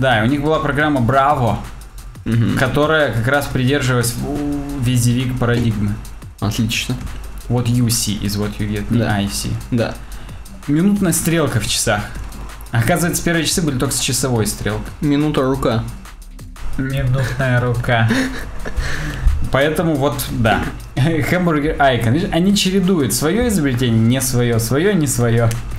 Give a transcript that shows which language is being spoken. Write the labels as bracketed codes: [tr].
[ru] У них была программа Bravo, которая как раз придерживалась визивик парадигмы. Отлично. [en] What you see is what you get, не I see. [ru] Да. Минутная стрелка в часах. Оказывается, первые часы были только с часовой стрелкой. Минута рука. Минутная рука. Поэтому вот, да. [en] Hamburger Icon. [ru] Видишь, они чередуют свое изобретение, не свое, свое, не свое.